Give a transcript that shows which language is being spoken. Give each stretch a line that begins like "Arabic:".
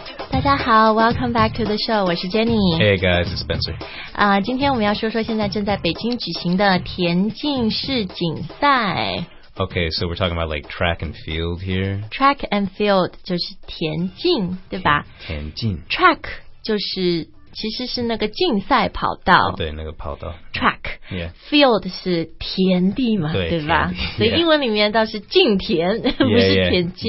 Chinese: 大家好
English: ，Welcome back to the show.
Chinese: 我是 Jenny.
English: Hey guys, it's Spencer.
Chinese: 今天我们要说说现在正在北京举行的田径世锦赛。
English: Okay, so we're talking about like track and field here.
Chinese: Track and field 就是田径，对吧？田径。 Track 就是其实是那个竞赛跑道。对，那个跑道。
English: Track. Yeah.
Chinese: Field 是田地嘛，对吧？所以英文里面倒是竞田，不是田径。